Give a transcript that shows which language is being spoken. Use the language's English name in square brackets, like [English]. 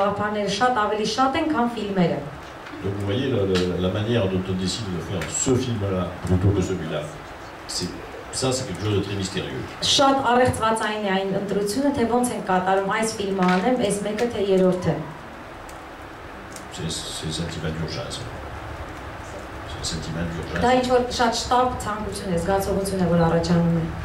[French] Donc vous voyez la manière dont on décide de faire ce film-là plutôt que celui-là. C'est Ça c'est quelque chose de très mystérieux. [Armenian] Շատ առեղծված այն այն ընտրությունը, թե ոնց են կատարում այս ֆիլմը անեմ, այս մեկը թե երրորդը. [French] C'est un sentiment d'urgence. C'est un sentiment d'urgence. [Armenian] Դա ինչ որ շատ շտապ ցանկություն է, զգացողություն է, որ առաջանում է.